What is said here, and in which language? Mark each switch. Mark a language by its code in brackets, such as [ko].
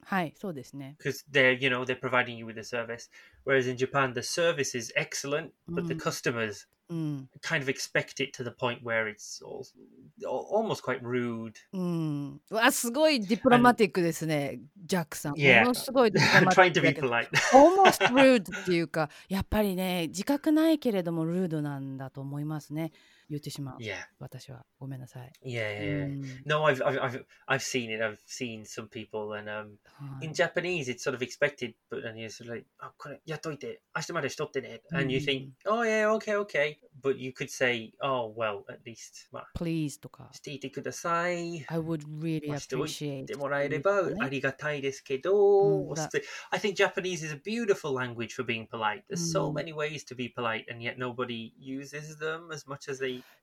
[en] Because they're, you know, they're providing you with a service. Whereas in Japan, the service is excellent, but the customers kind of expect it to the point where it's all, almost quite rude. [ja] すごいディプロマティックですね、ジャックさん。 [en] I'm trying to be polite. almost rude [ja] っていうか、やっぱりね、自覚ないけれどもルードなんだと思いますね。言ってしまう。私はごめんなさい。 [en] No, I've seen it. I've seen some people, and in Japanese, it's sort of expected. But then you're sort of like, oh, [ja] これやっといて、明日までしとってね。 [en] And you think, oh yeah, okay, okay. But you could say, oh well, at least, [ja] please とか。していてください。 [en] I would really [ja] appreciate。してもらえればありがたいですけど。 [en] I think Japanese is a beautiful language for being polite. There's so many ways to be polite, and yet nobody uses them as much as they